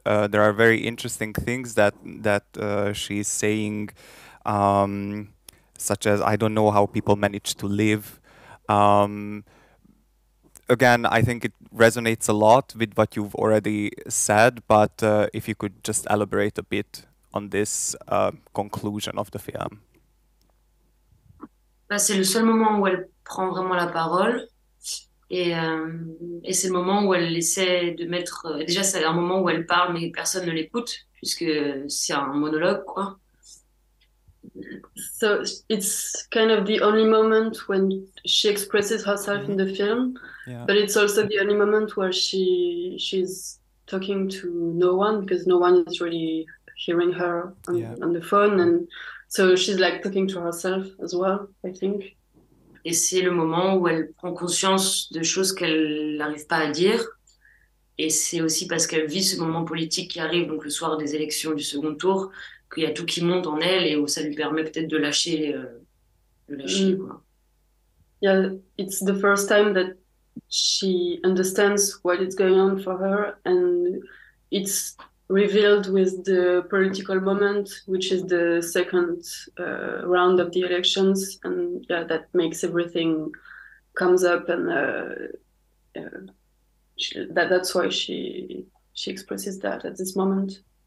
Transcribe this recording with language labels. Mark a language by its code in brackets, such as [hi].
[en] There are very interesting things that she's saying, such as, I don't know how people manage to live. Again, I think it resonates a lot with what you've already said, but if you could just elaborate a bit on this conclusion of the film. [fr] Bah, c'est le seul moment où elle prend vraiment la parole et c'est le moment où elle essaie de mettre... Déjà, c'est un moment où elle parle mais personne ne l'écoute puisque c'est un monologue, quoi. [en] So it's kind of the only moment when she expresses herself in the film, yeah. But it's also the only moment where she's talking to no one because no one is really hearing her on the phone, and so she's like talking to herself as well, I think. [fr] Et c'est le moment où elle prend conscience de choses qu'elle n'arrive pas à dire, et c'est aussi parce qu'elle vit ce moment politique qui arrive, donc le soir des élections du second tour, qu'il y a tout qui monte en elle et où ça lui permet peut-être de lâcher, quoi. [en] Yeah, it's the first time that she understands what is going on for her, and it's revealed with the political moment, which is the second round of the elections, and yeah, that makes everything comes up, and that's why she expresses that at this moment.